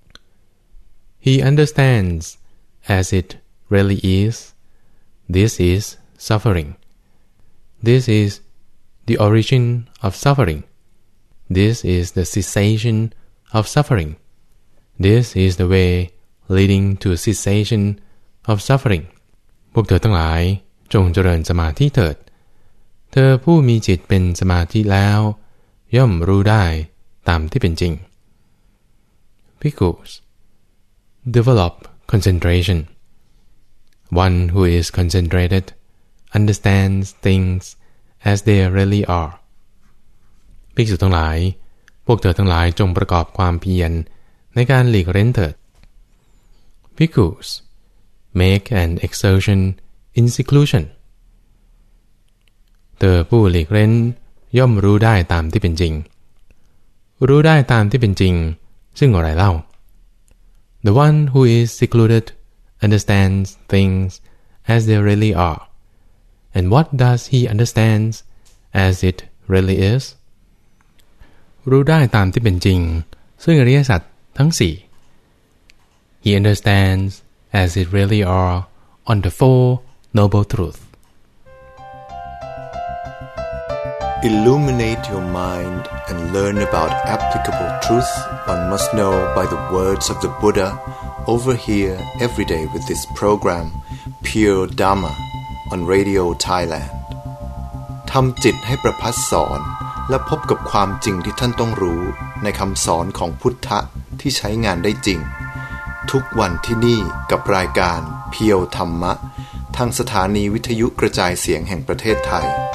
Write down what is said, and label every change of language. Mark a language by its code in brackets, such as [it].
[en] He understandsAs it really is, this is suffering. This is the origin of suffering. This is the cessation of suffering. This is the way leading to cessation of suffering. [th] พวกเธอทั้งหลายจงเจริญสมาธิเถิดเธอผู้มีจิตเป็นสมาธิแล้วย่อมรู้ได้ตามที่เป็นจริง [en] Because developConcentration. One who is concentrated understands things as they really are. [th] ภิกษุทั้งหลายพวกเธอทั้งหลายจงประกอบความเพียรในการหลีกเร้นเถิด [en] Bhikkhus, make an exertion in seclusion. [th] เธอผู้หลีกเร้นย่อมรู้ได้ตามที่เป็นจริงรู้ได้ตามที่เป็นจริงซึ่งอะไรเล่า [en] The one who is secluded understands things as they really are. And what does he understand as it really is? [th] รู้ได้ตามที่เป็นจริงซึ่งอริยสัจทั้งสี่ [en] He understands as it really are on the four noble truths. Illuminate your mind and learn about applicable truth one must know by the words of the Buddha. Over here every day with this program Pure Dharma on Radio Thailand [th] ทำจิตให้ประพัสสอนและพบกับความจริงที่ท่านต้องรู้ในคำสอนของพุทธะที่ใช้งานได้จริงทุกวันที่นี่กับรายการ Pure Dharma ทางสถานีวิทยุกระจายเสียงแห่งประเทศไทย